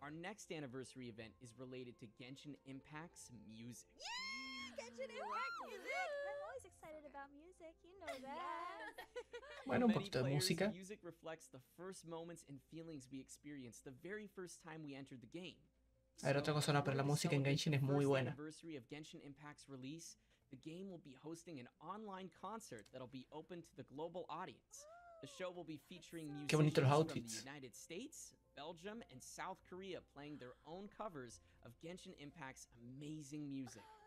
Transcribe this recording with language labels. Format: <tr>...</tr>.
<en>Our next anniversary event is related to Genshin Impact's music. Yeah, Genshin Impact music. I'm always excited about music. You know that.</en> <es>Bueno, un poquito de música.</es> <en>Music reflects the first moments and feelings we experienced the very first time we entered the game.</en> <es>A ver, otra cosa no, pero la música en Genshin es muy buena.</es> <en>Anniversary of Genshin Impact's release, the game will be hosting an online concert that'll be open to the global audience. The show will be featuring musicians from the United States, Belgium, and South Korea playing their own covers of Genshin Impact's amazing music.</en>